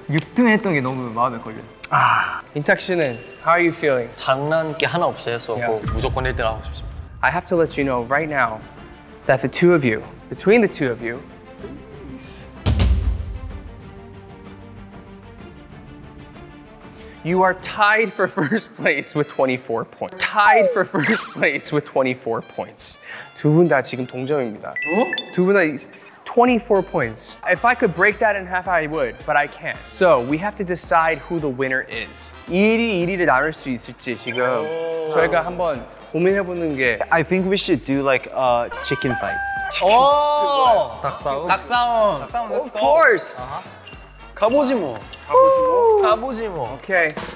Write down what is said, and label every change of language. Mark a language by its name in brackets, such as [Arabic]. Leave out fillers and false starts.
[Korean] 6등 했던 게 너무 마음에 걸려요. 아, 인탁 씨는 [English] how are you feeling? [Korean] 장난기 하나 없어요. 뭐 무조건 1등 하고 싶습니다. [English] I have to let you know right now that the two of you, between the two of you, you are tied for first place with 24 points. Tied for first place with 24 points. [Korean] 두 분 다 지금 동점입니다. 어? 두 분 다 [English] 24 points. If I could break that in half, I would, but I can't. So we have to decide who the winner is. [Korean] 1위, 1위를 나눌 수 있을지 지금 저희가 한번 고민해보는 게. [English] I think we should do like a chicken fight. Chicken. [Korean] 닭싸움. 닭싸움. 닭싸움. [English] Of course. [Korean] 가보지 뭐. 가보지 뭐. 가보지 뭐. [English] Okay.